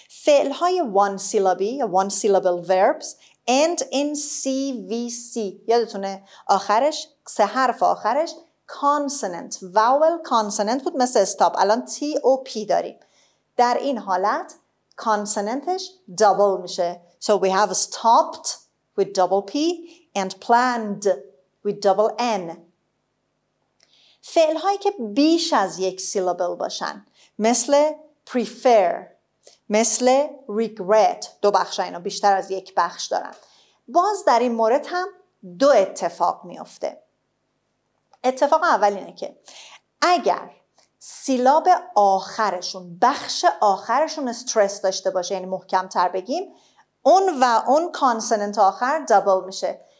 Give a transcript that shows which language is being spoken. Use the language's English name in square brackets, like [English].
[Persian] فعل‌های وان سیلابی یا وان سیلابل وربز end in CVC. یادتونه آخرش سه حرف آخرش consonant vowel consonant بود، مثل stop. الان T O P داریم. در این حالت consonantش double میشه. [English] So we have stopped with double P and planned with double N. [Persian] فعل هایی که بیش از یک syllable باشن، مثل prefer، مثل regret، دو بخش اینا بیشتر از یک بخش دارن. باز در این مورد هم دو اتفاق میفته. اتفاق اول اینه که اگر سیلاب آخرشون، بخش آخرشون استرس داشته باشه، یعنی محکم تر بگیم، اون و اون کانسننت آخر دابل میشه.